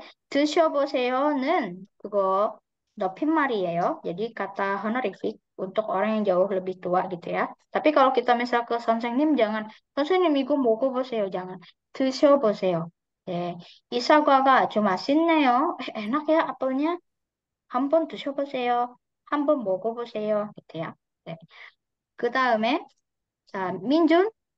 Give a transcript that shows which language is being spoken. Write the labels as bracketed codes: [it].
[ko] Tushoboseyo는 그거 높임 말이에요. [id] Jadi kata honorific untuk orang yang jauh lebih tua gitu ya. Tapi kalau kita misal ke sonsengnim jangan. [ko] Sonsengnim 이거 뭐고 보세요. [id] Jangan. [ko] 드셔보세요. 네. 이 사과가 아주 맛있네요. [id] enak ya apelnya. [ko] 한번 드셔보세요. 한번 먹어보세요. 보세요. 한번 먹어보세요. 네. 그 다음에 자 민준.